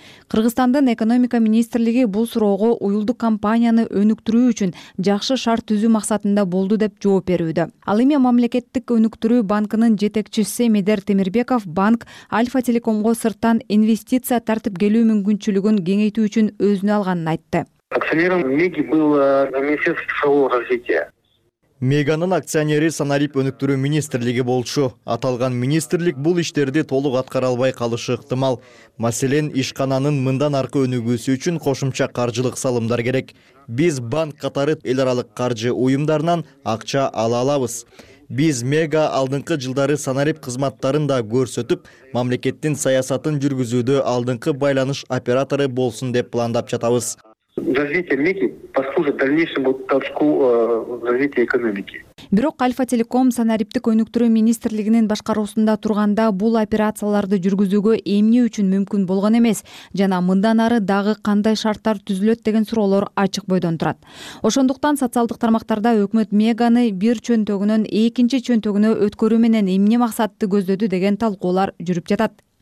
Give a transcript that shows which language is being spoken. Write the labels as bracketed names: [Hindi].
[Kyrgyz] Кыргызстандын экономика министрлиги бул суроого уюлдук компанияны өнүктүрүү үчүн жакшы шарт түзүү максатында болду деп жооп берүүдө. Ал эми мамлекеттик өнүктүрүү банкынын жетекчиси Медер Темирбеков банк Альфа Телекомго сырттан инвестиция тартып келүү мүмкүнчүлүгүн кеңейтүү үчүн өзүнө алганын айтты. [Russian] Акционером Меги был Министерство цифрового развития. [Kyrgyz] Меганын акционери Санарип өнүктүрүү министрлиги болчу. Аталган министрлик бул иштерди толук аткара албай калышы ыктымал. Маселен, ишкананын мындан аркы өнүгүүсү үчүн кошумча каржылык салымдар керек. Биз банк катары эл аралык каржы уюмдарынан акча ала алабыз. Биз Мега алдыңкы жылдары Санарип кызматтарын да көрсөтүп, мамлекеттин саясатын жүргүзүүдө алдыңкы байланыш оператору болсун деп пландап жатабыз. [Russian] Развитие Меги послужит дальнейшему толчку развития экономики. [Kyrgyz] Бирок Альфа Телеком санариптик өнүктүрүү министрлигинин башкаруусунда турганда бул операцияларды жүргүзүүгө эмне үчүн мүмкүн болгон эмес жана мындан ары дагы кандай шарттар түзүлөт деген суроолор ачык бойдон турат. Ошондуктан социалдык тармактарда өкмөт Меганы бир чөнтөгүнөн экинчи чөнтөгүнө өткөрүү менен эмне максатты көздөдү деген талкуулар жүрүп жатат.